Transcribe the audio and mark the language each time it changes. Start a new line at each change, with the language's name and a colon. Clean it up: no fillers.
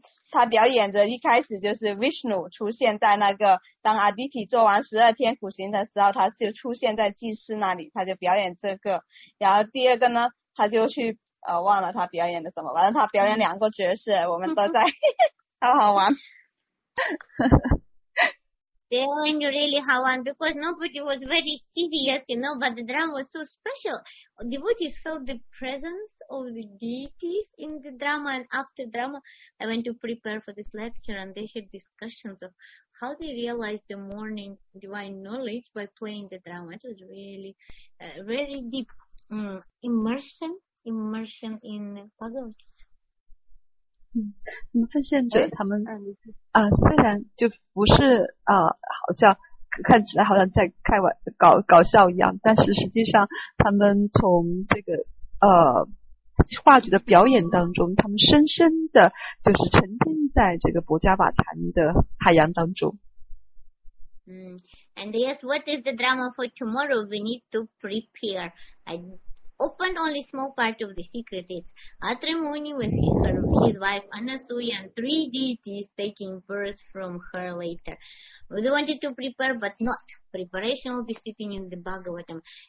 Chinese: 他表演着一开始就是 Vishnu 出现在那个当阿迪提做完十二天苦行的时候，他就出现在祭司那里，他就表演这个。然后第二个呢，他就去忘了他表演的什么，反正他表演两个角色，我们都在，好好玩。
English: They went really hard on because nobody was very serious, you know, but the drama was so special. Devotees felt the presence of the deities in the drama, and after drama, I went to prepare for this lecture, and they had discussions of how they realized the morning divine knowledge by playing the drama. It was really, very deep immersion in Bhagavad Gita.
Chinese: 发现者他们虽然就不是好像看起来好像在开玩搞搞笑一样，但是实际上他们从这个话剧的表演当中，他们深深的就是沉浸在这个博加瓦坛的海洋当中。
English: And yes, what is the drama for tomorrow? We need to prepare. I opened only small part of the secret. It's Atri Muni with his wife Anasuya and three deities taking birth from her later. We wanted to prepare, but not. Preparation will be sitting in the Bhagavatam.